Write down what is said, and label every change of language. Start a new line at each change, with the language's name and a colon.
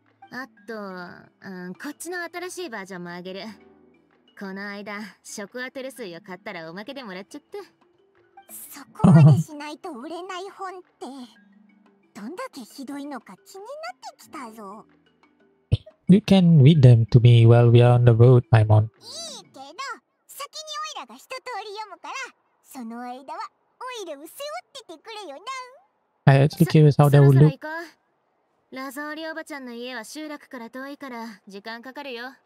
Japanese: あと、こっちの新しいバージョンもあげる。この間食当てる水を買ったらおまけでもらっちゃった。そこまでしないと売れない本ってどんだけひどいのか気になってきたぞ。
English: You can read them to me while we are on the road, Paimon.
Japanese: いいけど、先にオイラが一通り読むから、その間はオイラを背負っててくれよな。
English: I'm actually curious how they will look.
Japanese: ラゾーリおばちゃんの家は集落から遠いから時間かかるよ。